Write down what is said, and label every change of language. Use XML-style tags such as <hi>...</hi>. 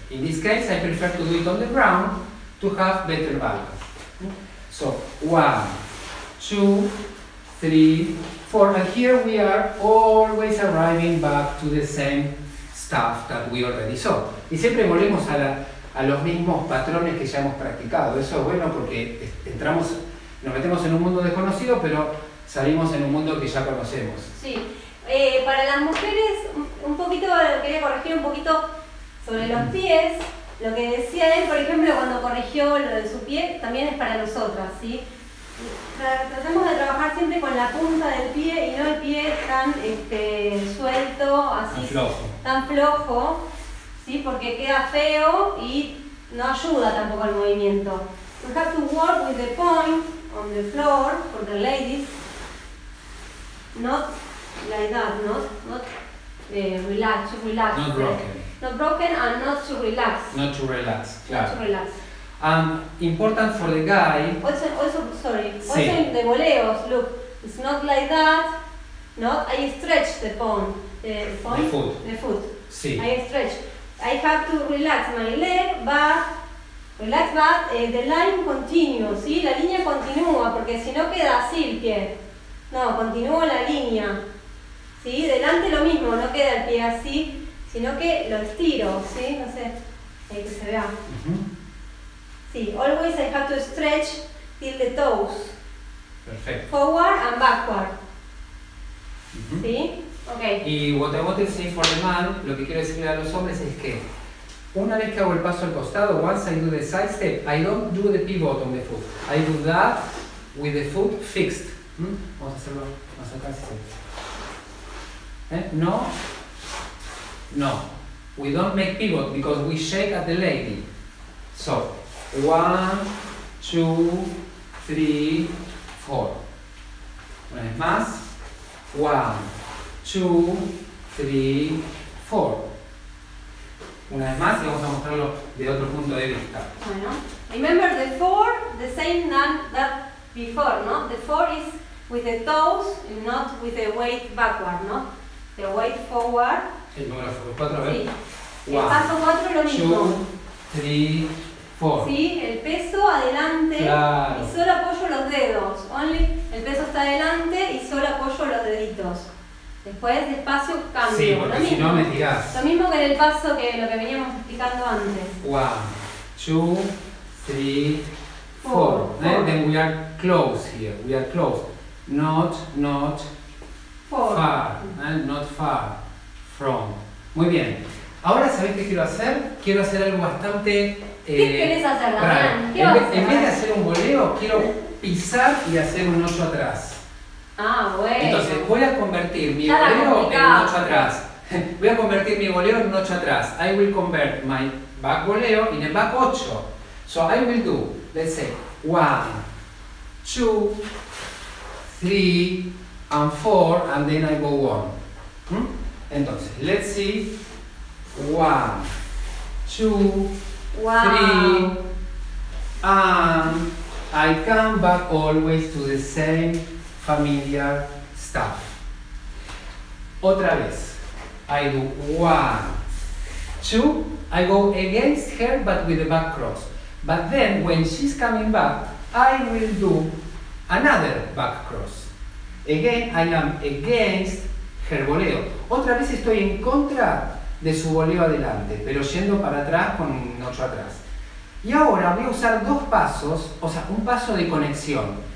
<en>In this case, I prefer to do it on the ground to have better balance. So, 1, 2, 3, 4, and here we are always arriving back to the same stuff that we already saw.</en> <es>Y siempre volvemos a los mismos patrones que ya hemos practicado. Eso es bueno porque entramos. Nos metemos en un mundo desconocido, pero salimos en un mundo que ya conocemos. Sí. Para las mujeres, un poquito, quería corregir un poquito sobre los pies. Lo que decía él, por ejemplo, cuando corrigió lo de su pie, también es para nosotras, ¿sí? Tratamos de trabajar siempre con la punta del pie y no el pie tan suelto, así, tan flojo, ¿sí? Porque queda feo y no ayuda tampoco al movimiento.</es> <en>We have to work with the point on the floor for the ladies, not like that, not relax. Not broken. Not broken and not to relax. Not to relax, claro. Not to relax. Important for the guy. Also in the voleos, look, it's not like that, not, I stretch the point. The foot. Sí. I stretch. I have to relax my leg, but relax back, the line continues, ¿sí?</en> <es>La línea continúa, porque si no queda así el pie. No, continúa la línea. ¿Sí? Delante lo mismo, no queda el pie así, si sino que lo estiro, ¿sí? No sé, ahí que se vea.</es> <en>Sí, always I have to stretch till the toes.</en> <es>Perfecto.</es> <en>Forward and backward. ¿Sí? Ok. Y what I want to say for the man,</en> <es>lo que quiero decirle a los hombres es que una vez que hago el paso al costado,</es> <en>once I do the side step, I don't do the pivot on the foot. I do that with the foot fixed.</en> <es>Vamos a hacerlo más acá.</es> <en>¿Sí? No. No. We don't make pivot because we shake at the lady. So, one, two, three, four.</en> <es>Una vez más.</es> <en>One, two, three, four.</en> <es>Una vez más, y vamos a mostrarlo de otro punto de vista.</es> <en>Bueno, remember the four, the same than that before, ¿no? The four is with the toes, and not with the weight backward, ¿no? The weight forward.</en> <es>El número cuatro, a ver. Sí. One, el paso cuatro es lo mismo.</es> <en>Two, three, four.</en> <es>Sí, el peso adelante, claro. Y solo apoyo los dedos. Only, el peso está adelante y solo apoyo los deditos. Después, despacio, cambio. Sí, porque si no me tirás. Lo mismo que en el paso que lo que veníamos explicando antes.</es> <en>One, two, three, four. Four. Then we are close here. We are close. Not four. Far. Not far from.</en> <es>Muy bien. Ahora, ¿sabés qué quiero hacer? Quiero hacer algo bastante... ¿Qué querés hacer, Damián? En vez de hacer un voleo, quiero pisar y hacer un 8 atrás. Ah, bueno. Entonces voy a convertir mi voleo en un 8 atrás. Voy a convertir mi voleo en un 8 atrás.</es> <en>I will convert my back voleo in a back 8. So I will do, let's say, 1, 2, 3, and 4, and then I go on. Entonces, let's see. 1, 2, 3, and I come back always to the same familiar stuff.</en> <es>Otra vez.</es> <en>I do one, two. I go against her, but with the back cross. But then, when she's coming back, I will do another back cross. Again, I am against her voleo.</en> <es>Otra vez estoy en contra de su voleo adelante, pero yendo para atrás con un 8 atrás. Y ahora voy a usar dos pasos, o sea, un paso de conexión.</es>